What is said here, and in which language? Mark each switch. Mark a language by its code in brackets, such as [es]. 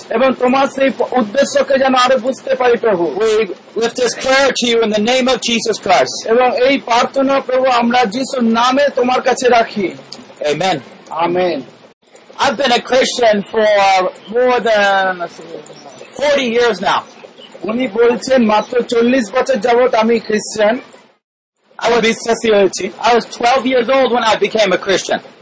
[bn] এবং তোমার সেই উদ্দেশ্যকে যেন আরো বুঝতে পারি প্রভু. [en] We lift this prayer to you in the name of Jesus Christ. [bn] এবং এই প্রার্থনা প্রভু আমরা যিশুর নামে তোমার কাছে রাখি. [en] Amen. Amen. I've been a Christian for more than 40 years now. [bn] উনি বলছেন মাত্র 40 বছর যাবত আমি খ্রিস্টান. [en] I was 12 years old when I became a Christian.